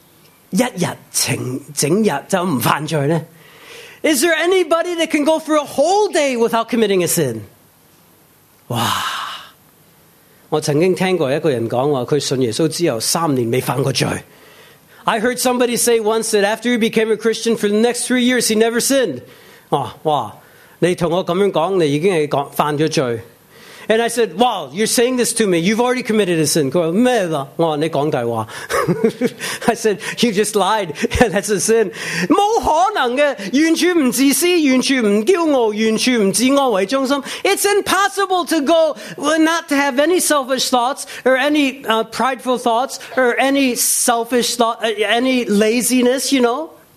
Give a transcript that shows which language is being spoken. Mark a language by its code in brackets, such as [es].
[zh] 有没有可能一日整日就不犯罪呢? [en] Is there anybody that can go for a whole day without committing a sin? [zh] 哇, 我曾经听过一个人说,他信耶稣之后三年没犯过罪。 [en] I heard somebody say once that after he became a Christian for the next 3 years, he never sinned. [zh] 哇, 你跟我这样说,你已经犯了罪。 [en] And I said, wow, you're saying this to me. You've already committed a sin. I said, you just lied. That's a sin. [zh] 不可能的,完全不自私,完全不骄傲,完全不自我为中心. [en] It's impossible to go not to have any selfish thoughts or any prideful thoughts or any selfish thought, any laziness, you know.